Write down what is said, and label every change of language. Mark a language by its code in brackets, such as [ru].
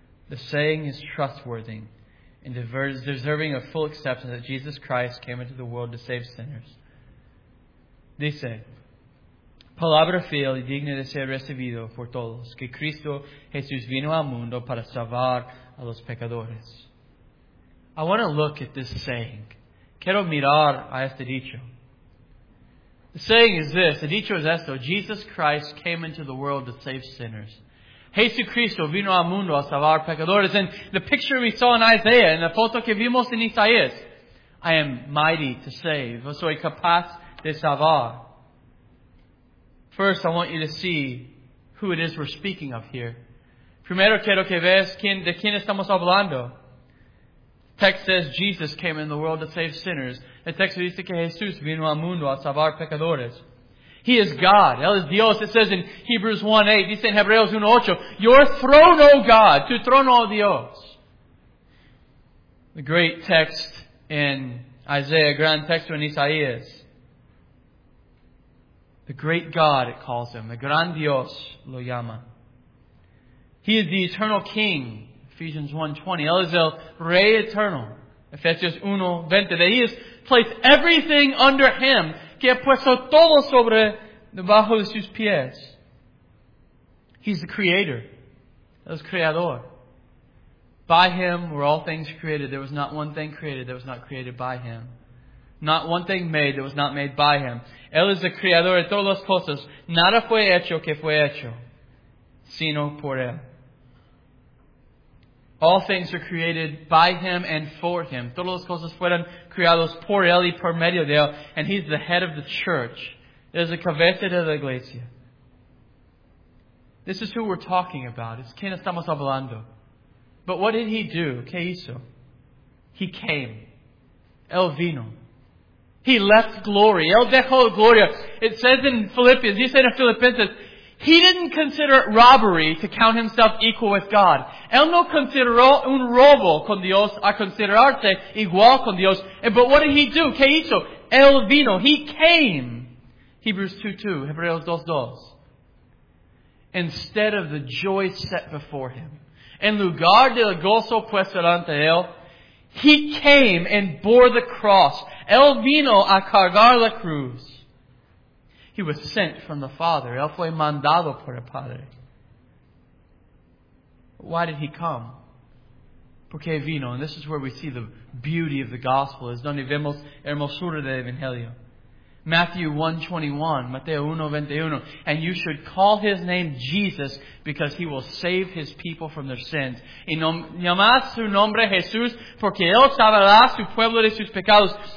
[en] The saying is trustworthy and deserving of full acceptance that Jesus Christ came into the world to save sinners. [es] Dice, palabra fiel y digna de ser recibido por todos, que Cristo Jesús vino al mundo para salvar a los pecadores. [en] I want to look at this saying. [es] Quiero mirar a este dicho. [en] The saying is this, the [es] dicho es esto, [en] Jesus Christ came into the world to save sinners. [es] Jesucristo vino al mundo a salvar pecadores. [en] And the picture we saw in Isaiah, and the [es] foto que vimos en Isaías, [en] I am mighty to save. [es] Soy capaz de salvar. [en] First, I want you to see who it is we're speaking of here. [es] Primero quiero que veas de quién estamos hablando. [en] The text says Jesus came in the world to save sinners. The text [es] dice que Jesús vino al mundo a salvar pecadores. [en] He is God. [es] Él es Dios. [en] It says in Hebrews 1:8. [es] Dice en Hebreos 1:8. [en] Your throne, O God. [es] Tu trono, Dios. [en] The great text in Isaiah. [es] Gran texto en Isaías. [en] The great God, it calls Him. The [es] gran Dios lo llama. [en] He is the eternal King. Ephesians 1:20. [es] Él es el Rey Eternal. [en] Ephesians 1:20. That He has placed everything under Him. [es] Que ha puesto todo sobre debajo de sus pies. [en] He's the creator. [es] El creador. [en] By Him were all things created. There was not one thing created that was not created by Him. Not one thing made that was not made by Him. [es] Él es el creador de todas las cosas. Nada fue hecho que fue hecho, sino por Él. [en] All things are created by Him and for Him. [es] Todas las cosas fueron creadas por Él y por medio de Él. [en] And He's the head of the church. [es] Es la cabeza de la iglesia. [en] This is who we're talking about. [es] Es quien estamos hablando. [en] But what did He do? [es] ¿Qué hizo? [en] He came. [es] Él vino. [en] He left glory. [es] Él dejó la gloria. [en] It says in Philippians, He said in Filipenses, He didn't consider it robbery to count Himself equal with God. [es] Él no consideró un robo con Dios a considerarse igual con Dios. [en] But what did He do? [es] ¿Qué hizo? Él vino. [en] He came. Hebrews 2:2. Hebreos 2:2. Instead of the joy set before Him. [es] en lugar del gozo puesto ante él, [en] he came and bore the cross. [es] Él vino a cargar la cruz. [en] He was sent from the Father. [es] Él fue mandado por el Padre. [en] Why did he come? [es] ¿Por qué vino? [en] And this is where we see the beauty of the gospel. [es] Es donde vemos hermosura del Evangelio. [en] Mateo 1:21. And you should call his name Jesus, because he will save his people from their sins. [es] Y llamas su nombre Jesús, porque él salvará su pueblo de sus pecados.